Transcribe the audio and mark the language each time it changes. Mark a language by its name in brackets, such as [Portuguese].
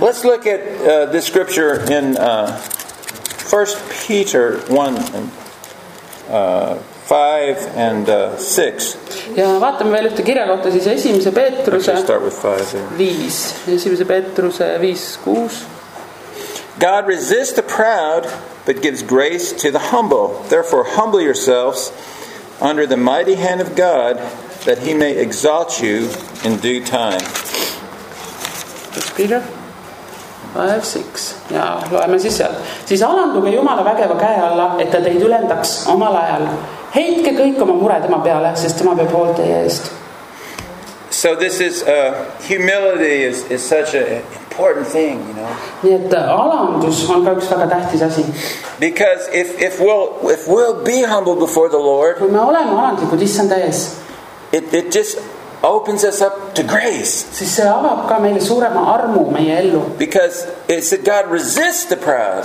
[English] Let's look at this scripture in 1 Peter 1 and 5 and 6. [Estonian] Ja vaatame veel ühte kirja kohta siis esimese Peetruse. [English] Let's start with 5. [Estonian] 5. Esimese Peetruse 5:6. [English] God resists the proud but gives grace to the humble. Therefore humble yourselves under the mighty hand of God that he may exalt you in due time. [Estonian] 5:6. Ja loeme siis seal. Siis alanduge Jumala vägeva käe alla, et ta teid ülendaks omal ajal. Heitke kõik oma mure tema peale, sest tema peab hoolt teie eest. [English] So this is humility is such an important thing, you know. [Estonian] Nii et alandus on ka üks väga tähtis asi. [English] Because if we'll be humble before the Lord, [Estonian] kui me oleme alandlikud issanda ees, [English] it just opens us up to grace. [Estonian] Siis see avab ka meile suurema armu meie ellu. [English] Because it said God resists the proud.